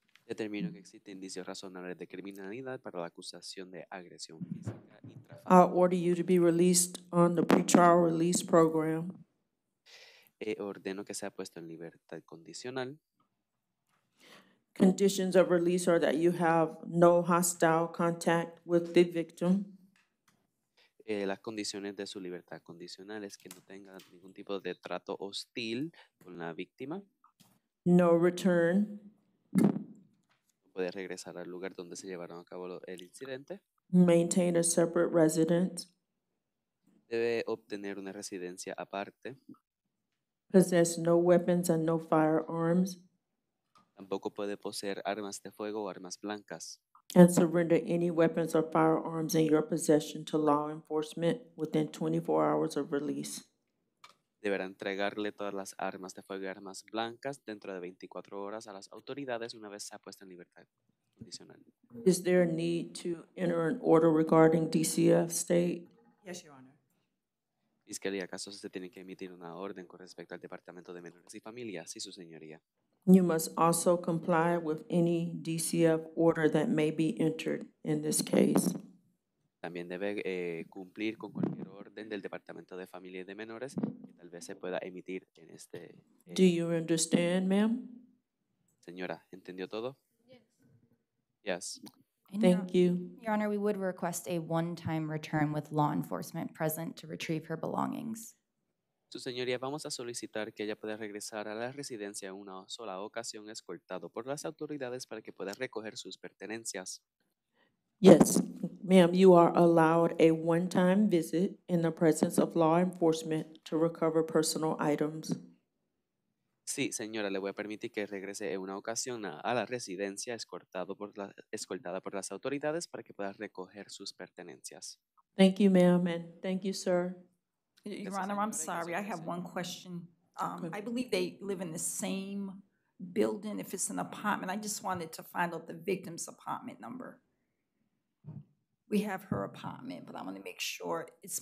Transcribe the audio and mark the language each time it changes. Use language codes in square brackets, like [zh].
[es] Determino que existe indicio razonable de criminalidad para la acusación de agresión física y trafico. [en] I'll order you to be released on the pretrial release program. [es] E ordeno que sea puesto en libertad condicional. [en] Conditions of release are that you have no hostile contact with the victim. [es] Las condiciones de su libertad condicional es que no tenga ningún tipo de trato hostil con la víctima. [en] No return. [es] Puede regresar al lugar donde se llevaron a cabo el incidente. [en] Maintain a separate residence. [es] Debe obtener una residencia aparte. [en] Possess no weapons and no firearms. [es] Tampoco puede poseer armas de fuego o armas blancas. [en] And surrender any weapons or firearms in your possession to law enforcement within 24 hours of release. [es] Deberá entregarle todas las armas de fuego y armas blancas dentro de 24 horas a las autoridades una vez se ha puesto en libertad condicional. [en] Is there a need to enter an order regarding DCF state? Yes, Your Honor. [es] Fiscalía, ¿acaso se tiene que emitir una orden con respecto al Departamento de Menores y Familia? Sí, su señoría. [en] You must also comply with any DCF order that may be entered in this case. [es] También debe cumplir con cualquier orden del Departamento de Familia y de Menores que tal vez se pueda emitir en este... [en] Do you understand, ma'am? [es] Señora, ¿entendió todo? [en] Yes. Yes. Thank you. Your Honor, we would request a one-time return with law enforcement present to retrieve her belongings. [es] Su señoría, vamos a solicitar que ella pueda regresar a la residencia en una sola ocasión escoltado por las autoridades para que pueda recoger sus pertenencias. Yes. [en] Ma'am, you are allowed a one-time visit in the presence of law enforcement to recover personal items. [es] Sí, señora, le voy a permitir que regrese en una ocasión a la residencia escoltada por las autoridades para que pueda recoger sus pertenencias. [en] Thank you, ma'am, and thank you, sir. Your Honor, I'm sorry, I have one question. I believe they live in the same building. If it's an apartment, I just wanted to find out the victim's apartment number. We have her apartment, but I want to make sure it's